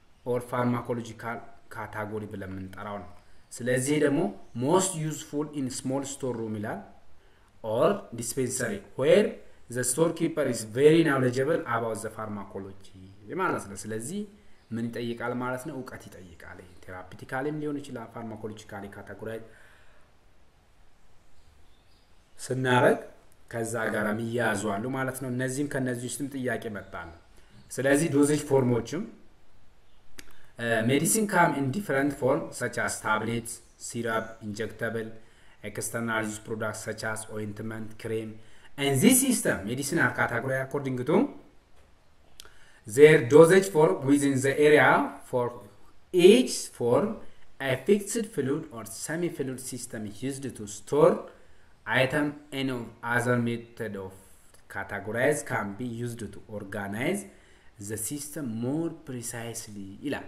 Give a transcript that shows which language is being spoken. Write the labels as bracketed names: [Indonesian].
[English] or pharmacological category [Amharic] ብለን የምንጠራው ነው። ስለዚህ ደግሞ [English] most useful in small store room [Amharic] ይላል [English] or dispensary where the storekeeper is very knowledgeable about the pharmacology [Amharic] ይማለት ነው። ስለዚህ ምን ይጠይቃል ማለት ነው? እውቀት ይጠይቃል። ቴራፒቲካሊም ሊሆን ይችላል ፋርማኮሎጂካሊ ካታጎራይ ስናረግ ከዛ ጋራ የሚያዙ አሉ ማለት ነው። እነዚህም ከነዚህ ውስጥም ጥያቄ መጣል። ስለዚህ ዶዜጅ ፎርሞችም [English] medicine come in different forms such as tablets, syrup, injectable, external use products such as ointment, cream. And this system, medicine are categorized according to their dosage for within the area for each form, a fixed fluid or semi-fluid system used to store item and other method of categorize can be used to organize the system more precisely.